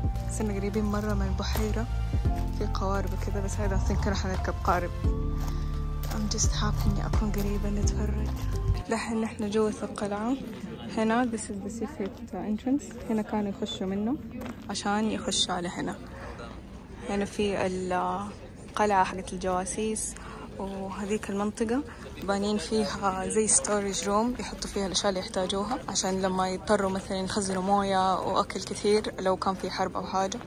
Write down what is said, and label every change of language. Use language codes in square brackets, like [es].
[ar] صرنا قريبين مرة من البحيرة، في قوارب كذا، بس هذا أظن كنا حنركب قارب. [en] I'm just happy [ar] إني أكون قريبة نتفرج. دحين احنا جوا القلعة. [en] هنا this is the secret entrance. [ar] هنا كانوا يخشوا منه عشان يخشوا على هنا. هنا في القلعة حقت الجواسيس، وهذيك المنطقة بانين فيها زي ستوريج روم يحطوا فيها الأشياء اللي يحتاجوها عشان لما يضطروا مثلا يخزنوا موية وأكل كثير لو كان في حرب أو حاجة.